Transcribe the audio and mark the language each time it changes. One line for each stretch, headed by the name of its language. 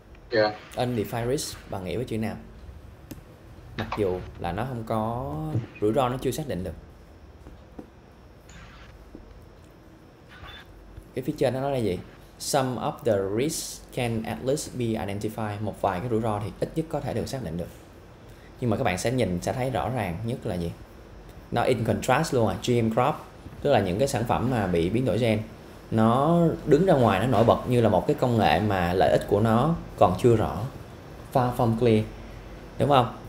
English: Yeah.
Vietnamese: Undefined risk bằng nghĩa với chữ nào? Mặc dù là nó không có rủi ro, nó chưa xác định được. Cái phía trên nó nói là gì?
English: Some of the risks can at least be identified.
Vietnamese: Một vài cái rủi ro thì ít nhất có thể được xác định được. Nhưng mà các bạn sẽ nhìn sẽ thấy rõ ràng nhất là gì? nó in contrast luôn à, GM crop, tức là những cái sản phẩm mà bị biến đổi gen, nó đứng ra ngoài, nó nổi bật như là một cái công nghệ mà lợi ích của nó còn chưa rõ, far from clear, đúng không?